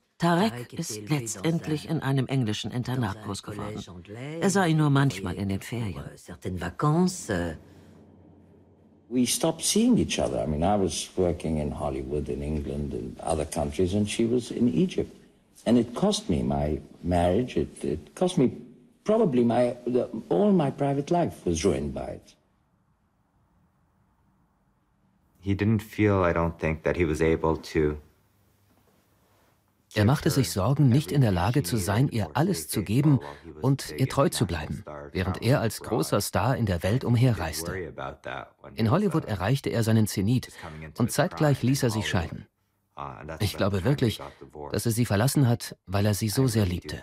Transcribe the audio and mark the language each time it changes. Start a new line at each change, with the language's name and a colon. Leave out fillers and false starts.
German: Tarek ist letztendlich in einem englischen Internat groß geworden. Er sah ihn nur manchmal in den Ferien.
English: We stopped seeing each other. I mean, I was working in Hollywood, in England, and other countries, and she was in Egypt. And it cost me my marriage. It cost me probably all my private life was ruined by it. He didn't feel, I don't think, that he was able to.
German: Er machte sich Sorgen, nicht in der Lage zu sein, ihr alles zu geben und ihr treu zu bleiben, während er als großer Star in der Welt umherreiste. In Hollywood erreichte er seinen Zenit und zeitgleich ließ er sich scheiden. Ich glaube wirklich, dass er sie verlassen hat, weil er sie so sehr liebte.